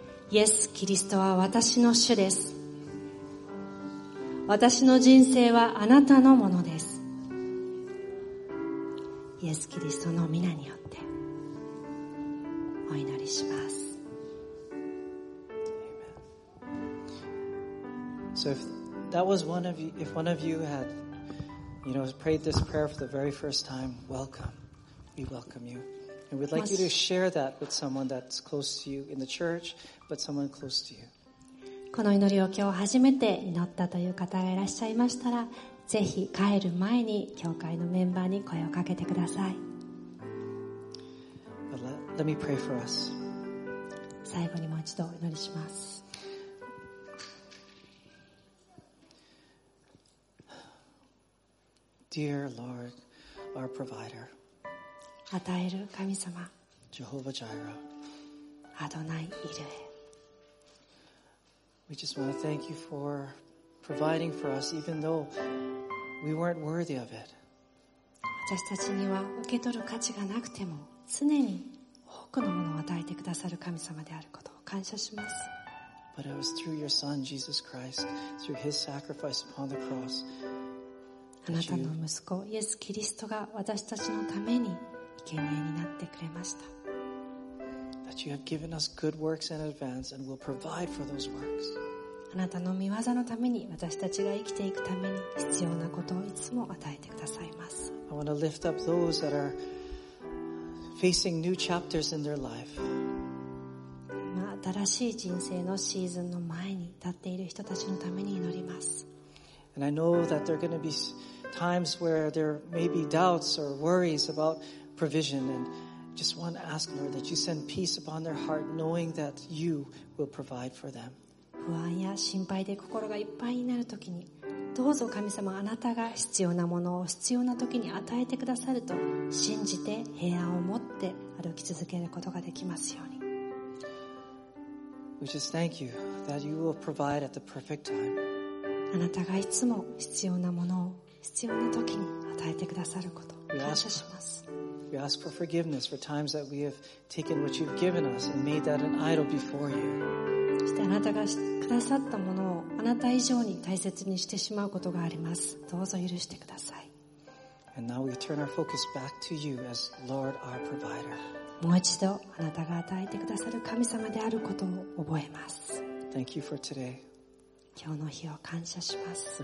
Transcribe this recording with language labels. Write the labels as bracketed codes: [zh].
[ja] イエス・キリストは私の主です。私の人生はあなたのものです。イエス・キリストの御名によってお祈りします。 [en] So if that was one of you, if one of you had, you know, prayed this prayer for the very first time, welcome. We welcome you. And we'd like you to share that with someone that's close to you in the church, but someone close to you. [ja] この祈りを今日初めて祈ったという方がいらっしゃいましたら、ぜひ帰る前に教会のメンバーに声をかけてください。 [en] Let me pray for us. [ja] 最後にもう一度お祈りします。 [en] Dear Lord, our provider. [ja] 与える神様。 [he] Jehovah Jireh. Adonai Ire. [en] We just want to thank you for providing for us, even though we weren't worthy of it. [ja] 私たちには受け取る価値がなくても、常に多くのものを与えてくださる神様であることを感謝します。 [en] But it was through your Son, Jesus Christ, through His sacrifice upon the cross. [ja] あなたの息子イエス・キリストが私たちのために生贄になってくれました。あなたの御業のために、私たちが生きていくために必要なことをいつも与えてくださいます。 [en] I want to lift up those that are facing new chapters in their life. [ja] 今新しい人生のシーズンの前に立っている人たちのために祈ります。 [en] And I know that there are going to be times where there may be doubts or worries about provision. And just want to ask, Lord, that you send peace upon their heart, knowing that you will provide for them. [ja] 不安や心配で心がいっぱいになるときに、どうぞ神様、あなたが必要なものを必要なときに与えてくださると信じて、平安を持って歩き続けることができますように。 [en] We just thank you that you will provide at the perfect time. [ja] あなたがいつも必要なものを必要な時に与えてくださることを感謝します。 [en] We ask for forgiveness for times that we have taken what you've given us and made that an idol before you. [ja] そしてあなたがくださったものをあなた以上に大切にしてしまうことがあります。どうぞ許してください。 [en] And now we turn our focus back to you as Lord our provider. [ja] もう一度あなたが与えてくださる神様であることを覚えます。 [en] Thank you for today. [ja] 今日の日を感謝します。